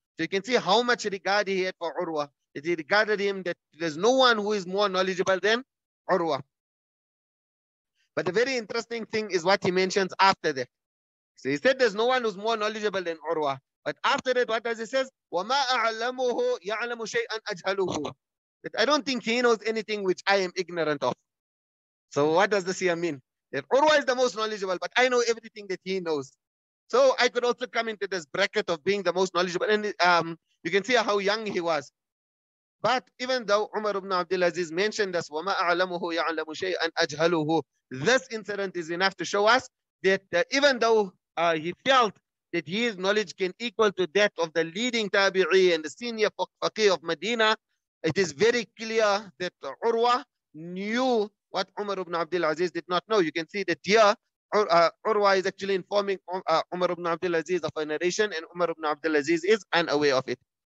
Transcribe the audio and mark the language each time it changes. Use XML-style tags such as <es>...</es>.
<en>So you can see how much regard he had for Urwa. That he regarded him that there's no one who is more knowledgeable than Urwa. But the very interesting thing is what he mentions after that. So he said there's no one who's more knowledgeable than Urwa. But after that, what does he say?</en> <ar>وما أعلمه يعلم شيئا أجهله.</ar> <en>That I don't think he knows anything which I am ignorant of. So what does this here mean? That Urwah is the most knowledgeable, but I know everything that he knows. So I could also come into this bracket of being the most knowledgeable. And you can see how young he was. But even though Umar ibn Abdul Azīz mentioned this,</en> <ar>وَمَا أَعْلَمُهُ يَعْلَمُ شَيْءًا أَجْهَلُهُ,</ar> <en>this incident is enough to show us that even though he felt that his knowledge can equal to that of the leading tabi'i and the senior faqih of Medina, it is very clear that Urwah knew what Umar ibn Abdul Azīz did not know. You can see that here, Urwah is actually informing Umar ibn Abdul Azīz of a narration, and Umar ibn Abdul Azīz is unaware of it.</en>